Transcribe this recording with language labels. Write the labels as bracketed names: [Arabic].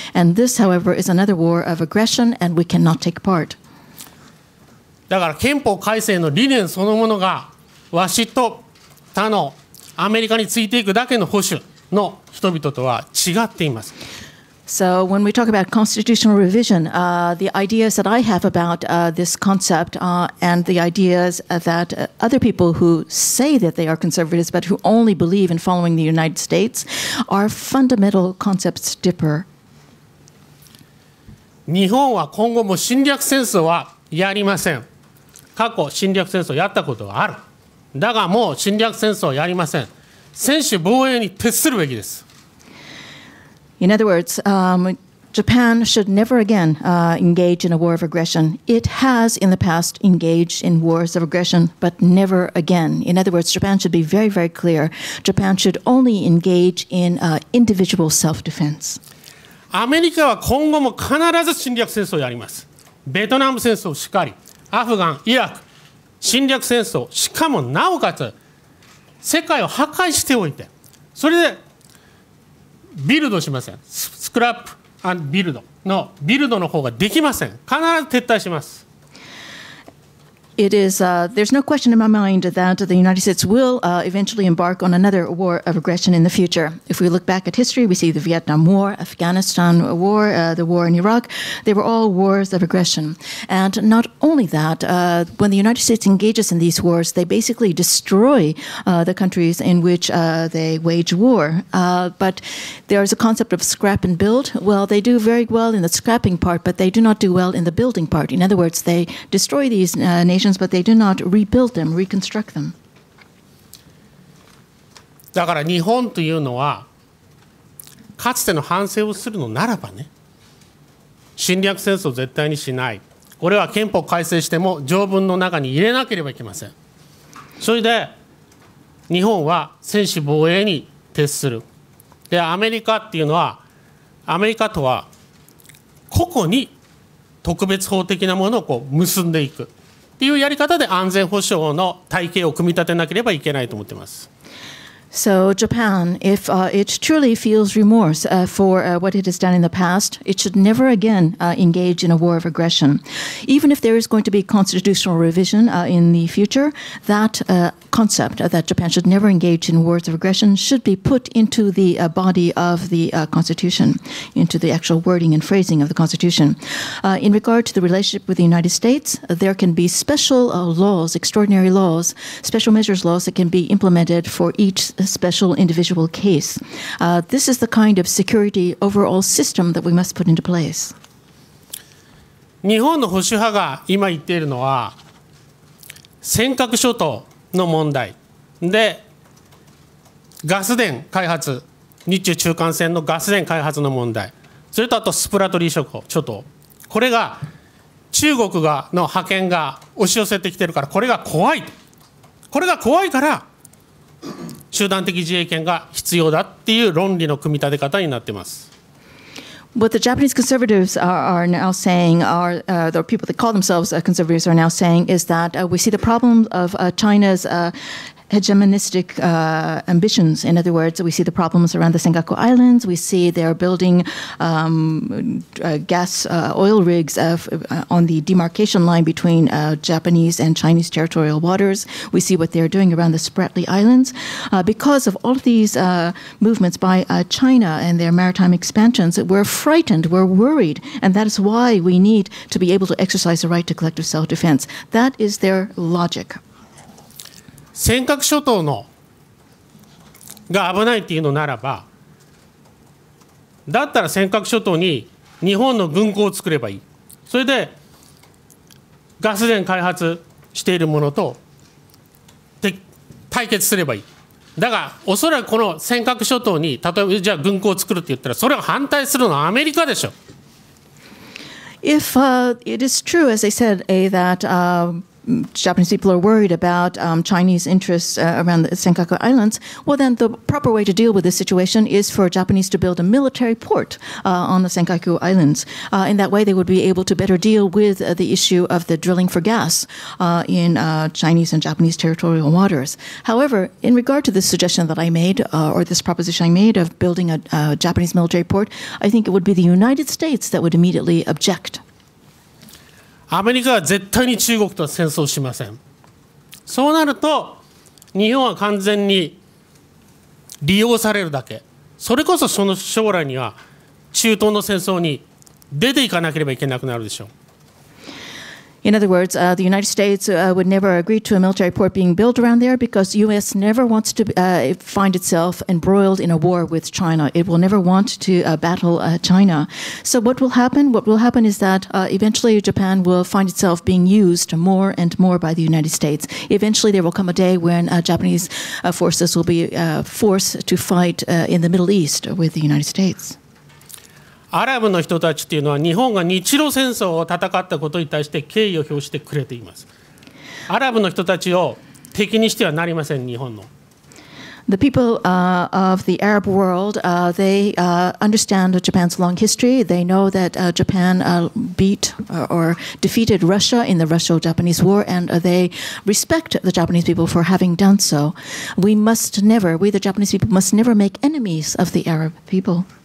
[English] And this, however, is another war of aggression and we cannot take part. [Japanese] だから憲法改正の理念そのものがわしと他のアメリカについていくだけの保守の人々とは違っています。 [English] So when we talk about constitutional revision, the ideas that I have about this concept and the ideas that other people who say that they are conservatives but who only believe in following the United States are fundamental concepts differ. [Japanese] 日本は今後も侵略戦争はやりません。過去侵略戦争やったことはある。だがもう侵略戦争はやりません。専守防衛に徹するべきです。 [English] In other words, Japan should never again engage in a war of aggression. It has in the past engaged in wars of aggression, but never again. In other words, Japan should be very, very clear. Japan should only engage in individual self-defense. [Japanese] アメリカは今後も必ず侵略戦争をやります。ベトナム戦争しかり、アフガン、イラク。侵略戦争、しかもなおかつ世界を破壊しておいて、それでビルドしません。スクラップ&ビルドのビルドの方ができません。必ず撤退します。 [English] It is, there's no question in my mind that the United States will eventually embark on another war of aggression in the future. If we look back at history, we see the Vietnam War, Afghanistan War, the war in Iraq, they were all wars of aggression. And not only that, when the United States engages in these wars, they basically destroy the countries in which they wage war. But there is a concept of scrap and build. Well, they do very well in the scrapping part, but they do not do well in the building part. In other words, they destroy these nations. But they do not rebuild them, reconstruct them. [Japanese] だから日本というのはかつての反省をするのならばね、侵略戦争を絶対にしない。これは憲法改正しても条文の中に入れなければいけません。それで日本は専守防衛に徹する。でアメリカっていうのはアメリカとは個々に特別法的なものをこう結んでいく。というやり方で安全保障の体系を組み立てなければいけないと思っています。 [English] So Japan, if it truly feels remorse for what it has done in the past, it should never again engage in a war of aggression. Even if there is going to be constitutional revision in the future, that concept that Japan should never engage in wars of aggression should be put into the body of the Constitution, into the actual wording and phrasing of the Constitution. In regard to the relationship with the United States, there can be special laws, extraordinary laws, special measures laws that can be implemented for each special individual case. This is the kind of security overall system that we must put into place. [Japanese] 日本の保守派が今言っているのは尖閣諸島の問題で、ガス田開発、日中中間線のガス田開発の問題、それとあとスプラトリー諸島、これが中国がの覇権が押し寄せてきてるから、これが怖い、これが怖いから集団的自衛権が必要だっていう論理の組み立て方になってます。 [English] What the Japanese conservatives are now saying, are the people that call themselves conservatives are now saying, is that we see the problem of China's hegemonistic ambitions. In other words, we see the problems around the Senkaku Islands. We see they're building gas oil rigs on the demarcation line between Japanese and Chinese territorial waters. We see what they're doing around the Spratly Islands. Because of all of these movements by China and their maritime expansions, we're frightened, we're worried, and that is why we need to be able to exercise the right to collective self-defense. That is their logic. [Japanese] 尖閣諸島のが危ないというのならば、だったら尖閣諸島に日本の軍港を作ればいい。それでガス田開発しているものと対決すればいい。だが、おそらくこの尖閣諸島に例えばじゃあ軍港を作るって言ったら、それを反対するのはアメリカでしょ。 [English] If it is true, as I said, that Japanese people are worried about Chinese interests around the Senkaku Islands, well then the proper way to deal with this situation is for Japanese to build a military port on the Senkaku Islands. In that way, they would be able to better deal with the issue of the drilling for gas in Chinese and Japanese territorial waters. However, in regard to the suggestion that I made, or this proposition I made of building a Japanese military port, I think it would be the United States that would immediately object. [Japanese] アメリカは絶対に中国とは戦争しません。そうなると日本は完全に利用されるだけ。それこそその将来には中東の戦争に出ていかなければいけなくなるでしょう。 [English] In other words, the United States would never agree to a military port being built around there because U.S. never wants to find itself embroiled in a war with China. It will never want to battle China. So what will happen? What will happen is that eventually Japan will find itself being used more and more by the United States. Eventually there will come a day when Japanese forces will be forced to fight in the Middle East with the United States. [Japanese] アラブの人たちというのは日本が日露戦争を戦ったことに対して敬意を表してくれています。アラブの人たちを敵にしてはなりません。日本の [English] The people of the Arab world, they understand Japan's long history. They know that Japan beat or defeated Russia in the Russo-Japanese War, and they respect the Japanese people for having done so. We must never, we the Japanese people must never make enemies of the Arab people